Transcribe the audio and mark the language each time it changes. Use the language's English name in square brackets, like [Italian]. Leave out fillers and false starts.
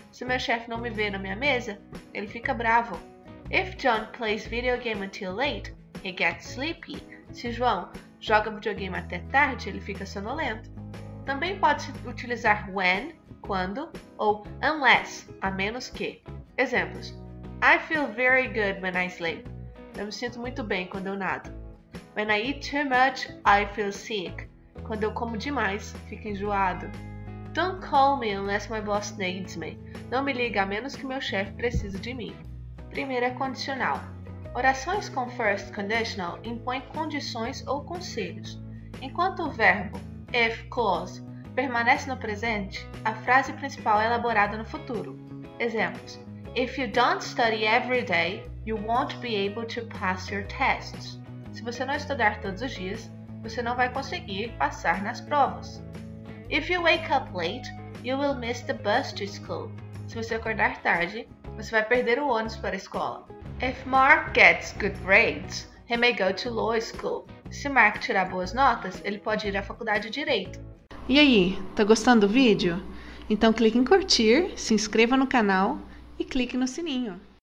[Portuguese] Se meu chefe não me vê na minha mesa, ele fica bravo. [English] If John plays video game until late, he gets sleepy. [Portuguese] Se João joga videogame até tarde, ele fica sonolento. Também pode-se utilizar when, quando, ou unless, a menos que. Exemplos. [English] I feel very good when I sleep. [Portuguese] Eu me sinto muito bem quando eu nado. [English] When I eat too much, I feel sick. [Portuguese] Quando eu como demais, fico enjoado. [English] Don't call me unless my boss needs me. [Portuguese] Não me liga a menos que meu chefe precise de mim. Primeira condicional. Orações com first conditional impõem condições ou conselhos. Enquanto o verbo if clause permanece no presente, a frase principal é elaborada no futuro. Exemplos. [English] If you don't study every day, you won't be able to pass your tests. [Portuguese] Se você não estudar todos os dias, você não vai conseguir passar nas provas. [English] If you wake up late, you will miss the bus to school. [Portuguese] Se você acordar tarde, você vai perder o ônibus para a escola. [English] If Mark gets good grades, he may go to law school. [Portuguese] Se Mark tirar boas notas, ele pode ir à faculdade de direito. E aí, tá gostando do vídeo? Então clique em curtir, se inscreva no canal e clique no sininho.